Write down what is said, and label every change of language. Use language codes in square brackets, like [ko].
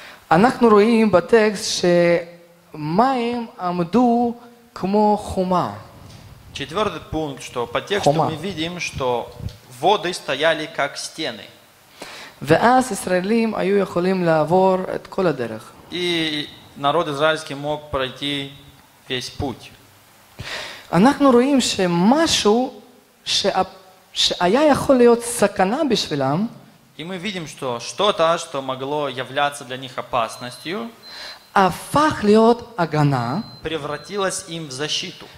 [he] אנחנו רואים בטקסט שמים עמדו כמו חומה. [ru] Четвертый пункт, что по тексту חומה. Мы видим, что воды стояли как стены. [he] ואז ישראלים היו יכולים לעבור את כל הדרך. [ru] И народ израильский мог пройти весь путь. [he] אנחנו רואים שמשהו שהיה יכול להיות סכנה בשבילם. [ru] И мы видим, что что-то, что могло являться для них опасностью, [he] הפך להיות הגנה, [ru] превратилось им в защиту.